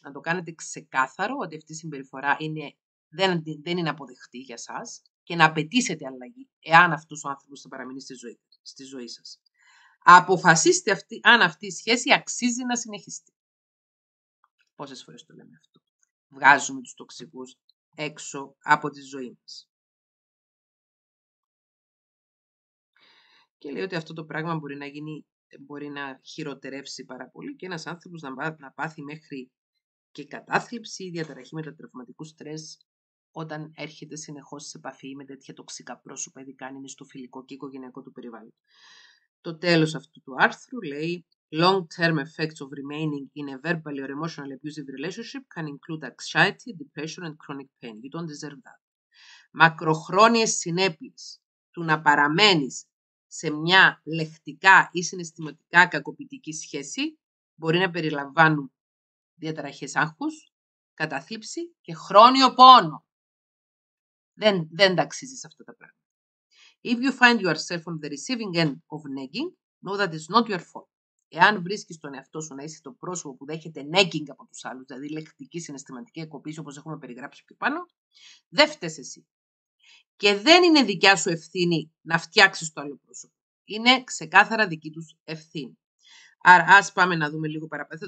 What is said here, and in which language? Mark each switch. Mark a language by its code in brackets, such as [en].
[el] Να το κάνετε ξεκάθαρο ότι αυτή η συμπεριφορά δεν είναι αποδεκτή για σας και να απαιτήσετε αλλαγή, εάν αυτός ο άνθρωπος θα παραμείνει στη ζωή σας. Αποφασίστε αν αυτή η σχέση αξίζει να συνεχιστεί. Πόσες φορές το λέμε αυτό. Βγάζουμε τους τοξικούς έξω από τη ζωή μας. Και λέει ότι αυτό το πράγμα μπορεί να χειροτερεύσει πάρα πολύ και ένας άνθρωπος να πάθει μέχρι και κατάθλιψη ή διαταραχή μετατραυματικού στρες όταν έρχεται συνεχώς σε επαφή με τέτοια τοξικά πρόσωπα, ειδικά αν είναι στο φιλικό και οικογενειακό του περιβάλλον. Το τέλος αυτού του άρθρου λέει: [en] Long-term effects of remaining in a verbally or emotionally abusive relationship can include anxiety, depression and chronic pain. You don't deserve that. [el] Μακροχρόνιες συνέπειες του να παραμένεις σε μια λεκτικά ή συναισθηματικά κακοποιητική σχέση μπορεί να περιλαμβάνουν διαταραχές άγχους, καταθλίψη και χρόνιο πόνο. Δεν τα αξίζεις αυτά τα πράγματα. [en] If you find yourself on the receiving end of nagging, know that it's not your fault. [el] Εάν βρίσκεις τον εαυτό σου να είσαι το πρόσωπο που δέχεται nagging από τους άλλους, δηλαδή λεκτική συναισθηματική εκοπήση όπως έχουμε περιγράψει πιο πάνω, δεν φταίσαι εσύ. Και δεν είναι δικιά σου ευθύνη να φτιάξεις το άλλο πρόσωπο. Είναι ξεκάθαρα δική τους ευθύνη. Άρα ας πάμε να δούμε λίγο παραπέρα.